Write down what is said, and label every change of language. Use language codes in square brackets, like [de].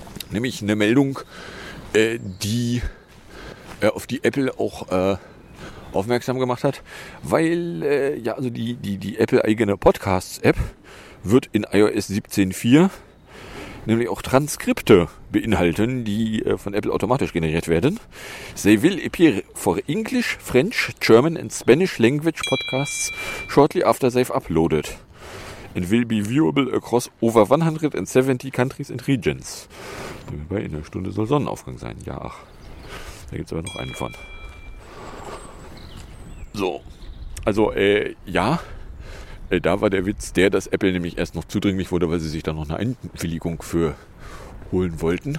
[de] Nämlich eine Meldung, auf die Apple auch aufmerksam gemacht hat. Weil, die Apple-eigene Podcasts-App wird in iOS 17.4 nämlich auch Transkripte beinhalten, die von Apple automatisch generiert werden. [en] They will appear for English, French, German and Spanish language podcasts shortly after they've uploaded. And will be viewable across over 170 countries and regions. [de] In einer Stunde soll Sonnenaufgang sein. Ja, ach. Da gibt es aber noch einen von. So. Also, da war der Witz der, dass Apple nämlich erst noch zudringlich wurde, weil sie sich da noch eine Einwilligung für holen wollten.